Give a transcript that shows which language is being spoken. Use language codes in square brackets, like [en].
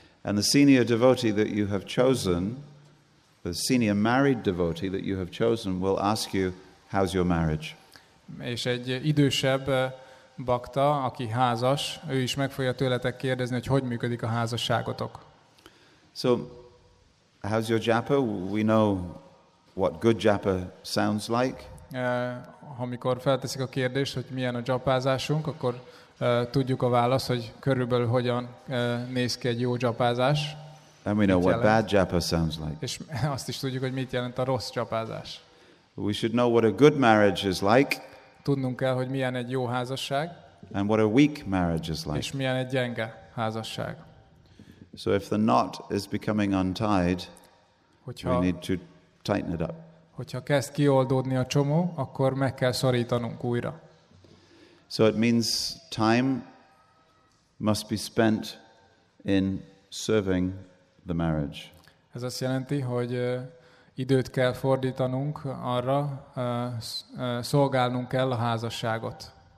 [en] And the senior devotee that you have chosen, the senior married devotee that you have chosen will ask you, how's your marriage? [hu] És egy idősebb bakta, aki házas, ő is meg fogja tőletek kérdezni, hogy hogy működik a házasságotok. [en] So, how's your japa? We know what good japa sounds like. [hu] Amikor felteszik a kérdést, hogy milyen a japázásunk, akkor tudjuk a választ, hogy körülbelül hogyan néz ki egy jó japázás. [en] And we know what bad japa sounds like. [hu] És azt is tudjuk, hogy mit jelent a rossz japázás. [en] We should know what a good marriage is like. [hu] Tudnunk kell, hogy milyen egy jó házasság. [en] And what a weak marriage is like. [hu] És milyen egy gyenge házasság. [en] So if the knot is becoming untied, we need to tighten it up. [hu] Hogyha kezd kioldódni a csomó, akkor meg kell szorítanunk újra. [en] So it means time must be spent in serving the marriage. [hu] Ez azt jelenti, hogy időt kell fordítanunk arra, szolgálnunk kell a házasságot.